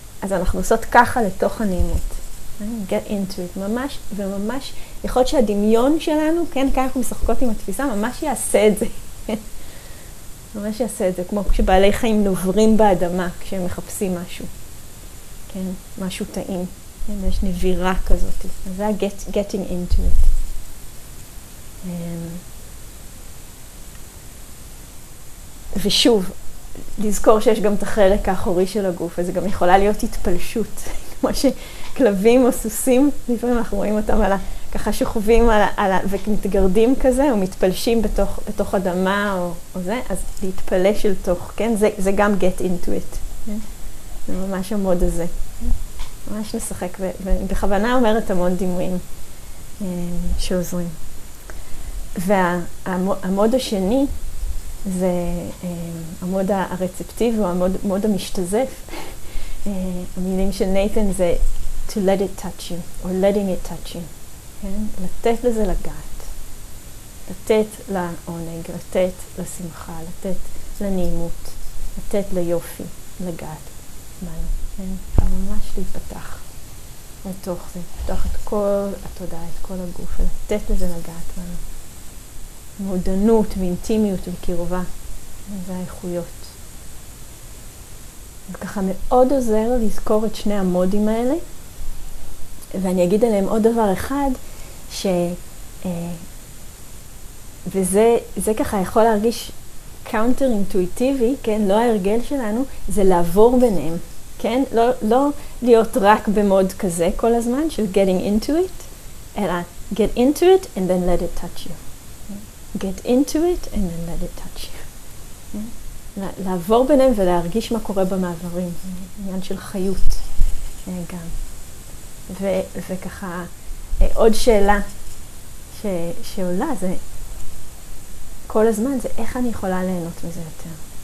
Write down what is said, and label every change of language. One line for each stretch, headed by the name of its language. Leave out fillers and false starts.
Hebrew: אז אנחנו עושות ככה לתוך הנעימות.
English: Get into it.
Hebrew: ממש וממש. יכול להיות שהדמיון שלנו, כן? כאן אנחנו משחקות עם התפיסה, ממש יעשה את זה. ממש יעשה את זה. כמו כשבעלי חיים נוברים באדמה כשהם מחפשים משהו. כן? משהו טעים. כן? יש נבירה כזאת. אז זה
English: getting into it.
Hebrew: ושוב, לזכור שיש גם את החלק האחורי של הגוף, וזה גם יכולה להיות התפלשות, כמו שכלבים או סוסים, לפעמים אנחנו רואים אותם על ככה שוכבים ומתגרדים כזה, או מתפלשים בתוך אדמה או זה, אז להתפלש אל תוך, כן? זה גם
English: get into it.
Hebrew: זה ממש המוד הזה. ממש לשחק, ובכוונה אומרת המון דימויים שעוזרים. והמוד השני זה המוד הרצפטיבי או המוד המשתזף. המילים של נייתן זה
English: to let it touch you
Hebrew: or letting it touch you. כן? לתת לזה לגעת. לתת לעונג, לתת לשמחה, לתת לנעימות, לתת ליופי, לגעת. כן? ממש להיפתח. לתוך זה, לתוך את כל התודעה, את כל הגוף, ולתת לזה לגעת לנו. מודנות ואינטימיות וקרבה, והאיכויות. וככה מאוד עוזר לזכור את שני המודים האלה, ואני אגיד עליהם עוד דבר אחד, ש... וזה ככה יכול להרגיש קאונטר אינטואיטיבי, כן? לא ההרגל שלנו, זה לעבור ביניהם, כן? לא להיות רק במוד כזה כל הזמן, של
English: getting into it,
Hebrew: אלא
English: get into it and then let it touch you. Get into it and then let it touch you.
Hebrew: לעבור ביניהם ולהרגיש מה קורה במעברים. עניין של חיות. גם. וככה, עוד שאלה שעולה זה, כל הזמן זה איך אני יכולה ליהנות מזה יותר.